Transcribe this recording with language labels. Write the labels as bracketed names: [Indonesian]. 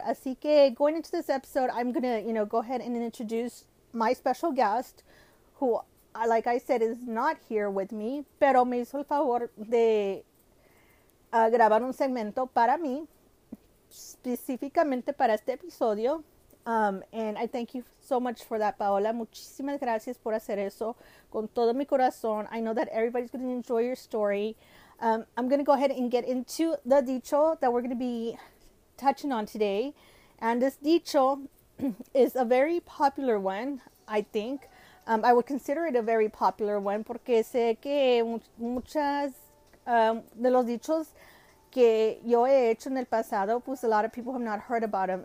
[Spanish] Así que [English] going into this episode, I'm going to, you know, go ahead and introduce my special guest, who, like I said, is not here with me, [Spanish] pero me hizo el favor de grabar un segmento para mí, específicamente para este episodio. [English] And I thank you so much for that, Paola. [Spanish] Muchísimas gracias por hacer eso con todo mi corazón. [English] I know that everybody's going to enjoy your story. I'm going to go ahead and get into the dicho that we're going to be touching on today. And this dicho is a very popular one, I think. I would consider it a very popular one [Spanish] porque sé que muchas de los dichos que yo he hecho en el pasado, pues [English] a lot of people have not heard about them.